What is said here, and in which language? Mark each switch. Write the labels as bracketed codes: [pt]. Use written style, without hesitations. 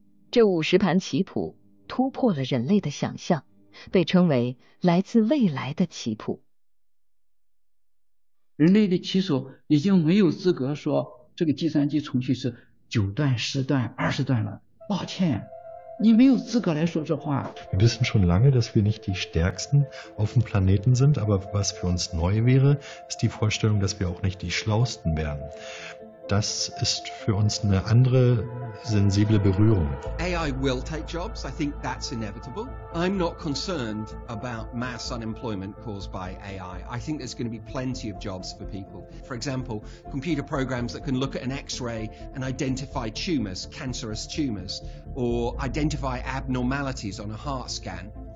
[zh] 这50盘棋谱突破了人类的想象，被称为来自未来的棋谱。人类的棋手已经没有资格说这个计算机程序是9段、10段、20段了。抱歉，你没有资格来说这话。 [de] Wir wissen schon lange, dass wir nicht die Stärksten auf dem Planeten sind, aber was für uns neu wäre, ist die Vorstellung, dass wir auch nicht die Schlauesten wären. Das ist für uns eine andere sensible Berührung. [en] AI will take jobs. I think that's inevitable. I'm not concerned about mass unemployment caused by AI. I think there's going to be plenty of jobs for people. For example, computer programs that can look at an X-ray and identify tumors, cancerous tumors, or identify abnormalities on a heart scan.